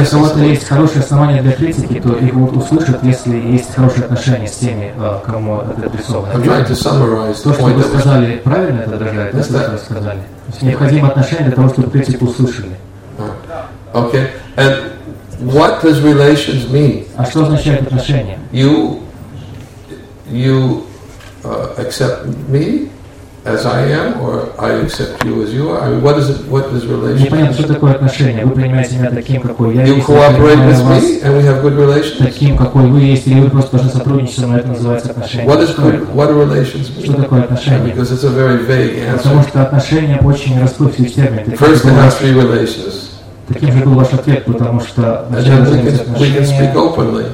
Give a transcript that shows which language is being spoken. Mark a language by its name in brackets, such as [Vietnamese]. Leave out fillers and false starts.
[Russian] Если у кого-то есть хорошее основание для критики, то их могут услышать, если есть хорошие отношения с теми, кому это адресовано. [English] I'm trying to summarize the point that [Russian] вы сказали правильно, это даже то, что вы сказали. Необходимо отношение для того, чтобы критику услышали. [English] Okay. And what does relations mean? [Russian] А что означает отношения? [English] You accept me as I am, or I accept you as you are. I mean, what is relationship? [Russian] Непонятно, что такое отношение. Вы принимаете меня таким, какой я есть. [English] You cooperate with me, and we have good relations. [Russian] Таким, какой вы есть, или вы просто должны сотрудничать, но это называется отношение. [English] What are relations? [Russian] Что такое отношение? [English] Because it's a very vague answer. [Russian] Потому что отношения очень расплывчатый термин. [English] First, there are three relations. [Russian] Таким же был ваш ответ, потому что [English] we can speak openly.